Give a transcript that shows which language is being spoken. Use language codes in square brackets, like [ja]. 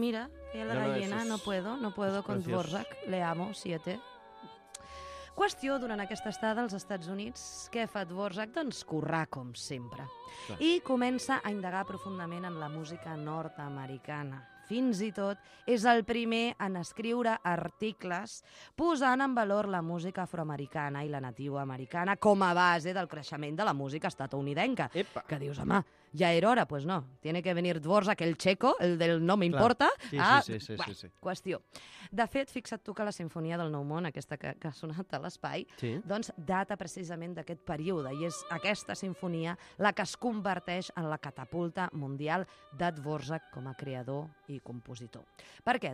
[es] Mira, que hi ha la gallina, no puedo con Dvořák, le amo, siete. [ca] Qüestió, durant aquesta estada als Estats Units, què fa Dvořák? Doncs currar, com sempre. Clar. I comença a indagar profundament en la música nord-americana. Fins i tot és el primer en escriure articles posant en valor la música afroamericana i la nativa americana com a base del creixement de la música estatunidenca. Epa. Que dius, home, ja era hora, pues no. [es] Tiene que venir Dvořák, el checo, el del [ca] no m'importa. Sí. Qüestió. De fet, fixa't tu que la Simfonia del Nou Món, aquesta que ha sonat a l'espai, doncs data precisament d'aquest període i és aquesta sinfonia la que es converteix en la catapulta mundial de Dvořák com a creador i compositor. Per què?